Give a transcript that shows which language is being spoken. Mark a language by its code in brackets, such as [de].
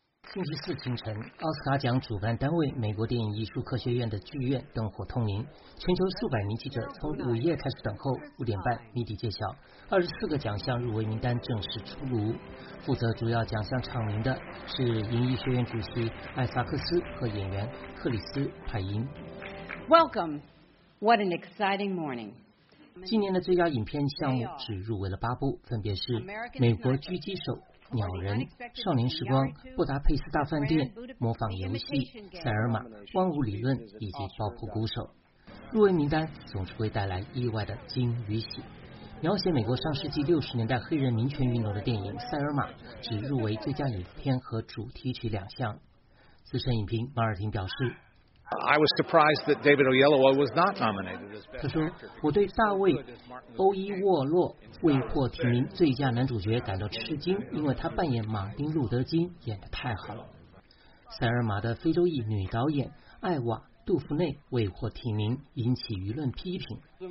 [zh] 星期四清晨，奥斯卡奖主办单位美国电影艺术科学院的剧院灯火通明，全球数百名记者从午夜开始等候，5点半谜底揭晓，24个奖项入围名单正式出炉。负责主要奖项唱名的是影艺学院主席艾萨克斯和演员克里斯·派因。 [en] Welcome, what an exciting morning. [zh] 今年的最佳影片项目只入围了8部，分别是《美国狙击手》、鸟人、少年时光、布达佩斯大饭店、模仿游戏、塞尔玛、万物理论以及爆破鼓手。入围名单总是会带来意外的惊与喜。描写美国上世纪60年代黑人民权运动的电影《塞尔玛》只入围最佳影片和主题曲2项。资深影评马尔廷表示， [en] I was surprised that David Oyelowo was not nominated. [zh] 他说，我对大卫·欧伊沃洛未获提名最佳男主角感到吃惊，因为他扮演马丁·路德·金演得太好了。塞尔玛的非洲裔女导演艾瓦·杜夫内未获提名，引起舆论批评。